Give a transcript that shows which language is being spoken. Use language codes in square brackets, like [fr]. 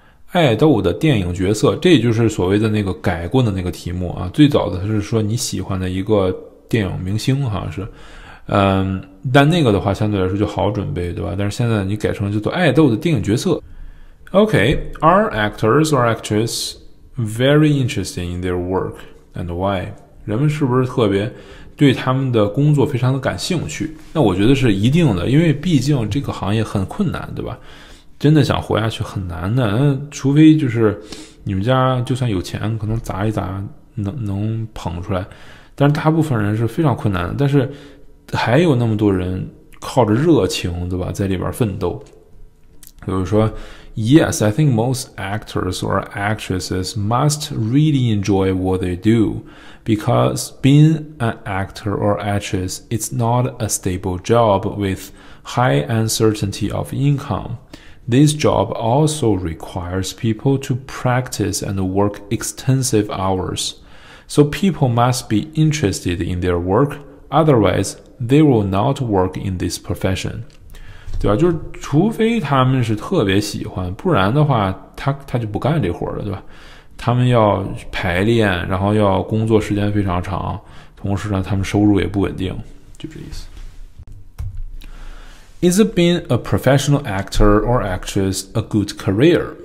[zh] 爱豆的电影角色，这就是所谓的那个改过的那个题目啊。最早的是说你喜欢的一个电影明星，好像是。但那个的话相对来说就好准备，对吧？但是现在你改成叫做爱豆的电影角色。 [en] Okay, are actors or actresses very interested in their work and why? [zh] 人们是不是特别对他们的工作非常的感兴趣？那我觉得是一定的，因为毕竟这个行业很困难，对吧？真的想活下去很难的，除非就是你们家就算有钱，可能砸一砸能捧出来，但是大部分人是非常困难的，但是还有那么多人靠着热情，对吧，在里边奋斗。比如说 [en] Yes, I think most actors or actresses must really enjoy what they do, because being an actor or actress is not a stable job with high uncertainty of income. This job also requires people to practice and work extensive hours. So people must be interested in their work, otherwise,They will not work in this profession. [zh] 对吧，就是除非他们是特别喜欢，不然的话他就不干这活了，对吧？他们要排练，然后要工作时间非常长，同时呢他们收入也不稳定，就这意思。 [en] Is being a professional actor or actress a good career?